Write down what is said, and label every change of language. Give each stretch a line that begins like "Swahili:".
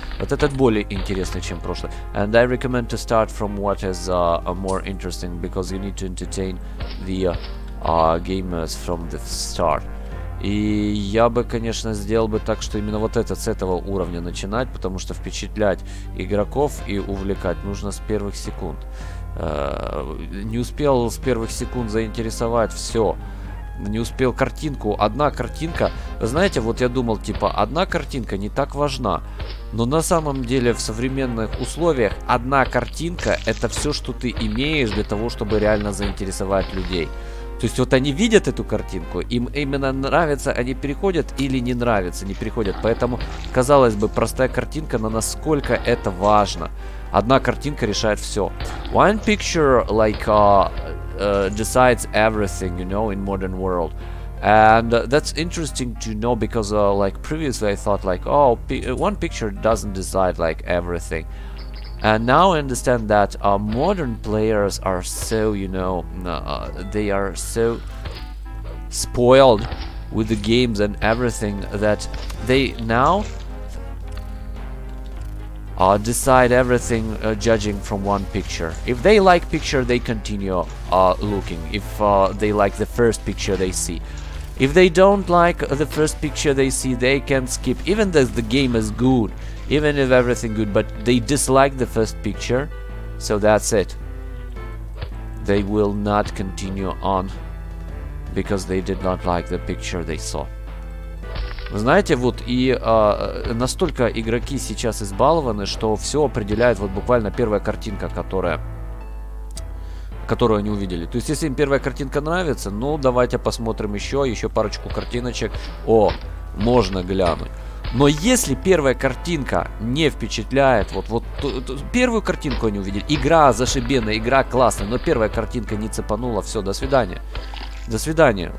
Russian: Вот этот более интересный, чем прошлый.
English: And I recommend to start from what is more interesting, because you need to entertain the... gamers from the start.
Russian: И я бы, конечно, сделал бы так, что именно вот этот, с этого уровня начинать, потому что впечатлять игроков и увлекать нужно с первых секунд. Не успел с первых секунд заинтересовать, все. Не успел картинку. Одна картинка, знаете, вот я думал, типа, одна картинка не так важна. Но на самом деле в современных условиях одна картинка — это все, что ты имеешь для того, чтобы реально заинтересовать людей. То есть вот они видят эту картинку, им именно нравится, они переходят, или не нравится, не переходят. Поэтому, казалось бы, простая картинка, но насколько это важно. Одна картинка решает все.
English: One picture, like, decides everything, you know, in modern world. And that's interesting to know, because, like, previously I thought, like, oh, one picture doesn't decide, like, everything. And now I understand that modern players are so, you know, they are so spoiled with the games and everything that they now decide everything judging from one picture. If they like picture, they continue looking. If they like the first picture they see. If they don't like the first picture they see, they can skip, even though the game is good. Even if everything good, but they dislike the first picture, so that's it. They will not continue on, because they did not like the picture they saw.
Russian: Вы знаете, вот и настолько игроки сейчас избалованы, что все определяет вот буквально первая картинка, которую они увидели. То есть, если им первая картинка нравится, ну, давайте посмотрим еще парочку картиночек. О, можно глянуть. Но если первая картинка не впечатляет, вот первую картинку они увидели, игра зашибенная, игра классная, но первая картинка не цепанула, все, до свидания. До свидания.